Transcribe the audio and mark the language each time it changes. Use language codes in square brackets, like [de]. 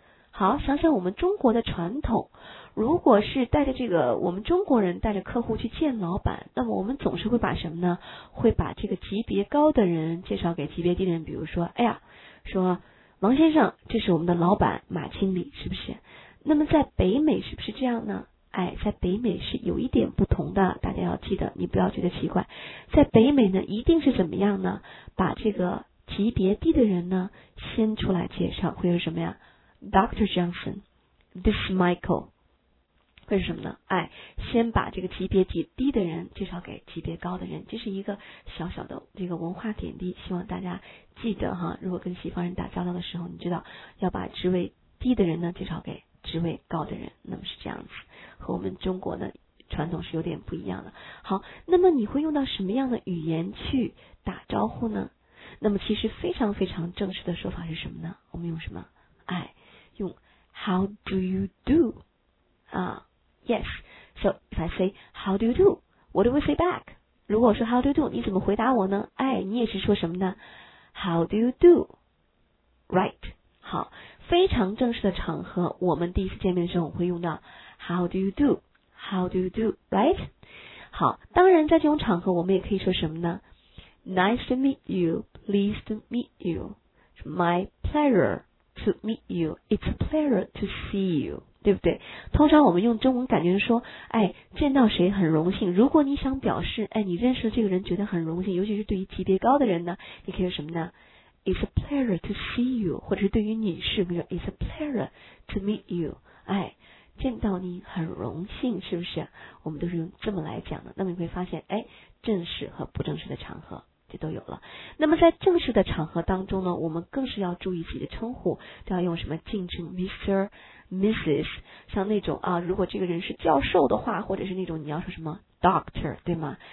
[zh] 好，想想我们中国的传统，如果是带着这个我们中国人带着客户去见老板，那么我们总是会把什么呢，会把这个级别高的人介绍给级别低的人，比如说哎呀说王先生，这是我们的老板马经理，是不是？那么在北美是不是这样呢？哎，在北美是有一点不同的，大家要记得，你不要觉得奇怪。在北美呢，一定是怎么样呢？把这个级别低的人呢，先出来介绍，会有什么呀 ？Dr. Johnson， [en] This is Michael， [zh] 会是什么呢？哎，先把这个级别低的人介绍给级别高的人，这是一个小小的这个文化点滴，希望大家记得哈。如果跟西方人打交道的时候，你知道要把职位低的人呢介绍给职位高的人，那么是这样子，和我们中国的传统是有点不一样的。好，那么你会用到什么样的语言去打招呼呢？那么其实非常非常正式的说法是什么呢？我们用什么？哎，用 [en] How do you do？啊 ，Yes。So if I say How do you do， what do we say back？ [zh] 如果说 [en] How do you do， [zh] 你怎么回答我呢？哎，你也是说什么呢 ？ [en] How do you do？ Right。 [zh] 好，非常正式的场合，我们第一次见面的时候，我会用到 [en] How do you do? How do you do? Right? [zh] 好，当然在这种场合，我们也可以说什么呢？ [en] Nice to meet you. Pleased to meet you. My pleasure to meet you. It's a pleasure to see you. [zh] 对不对？通常我们用中文感觉说，哎，见到谁很荣幸。如果你想表示，哎，你认识这个人觉得很荣幸，尤其是对于级别高的人呢，你可以说什么呢？ [en] It's a pleasure to see you， [zh] 或者是对于女士，比如 [en] It's a pleasure to meet you， [zh] 哎，见到你很荣幸，是不是？我们都是用这么来讲的。那么你会发现，哎，正式和不正式的场合就都有了。那么在正式的场合当中呢，我们更是要注意自己的称呼，都要用什么敬称 Mr. [en] Mrs. [zh] 像那种啊，如果这个人是教授的话，或者是那种你要说什么 Doctor， 对吗？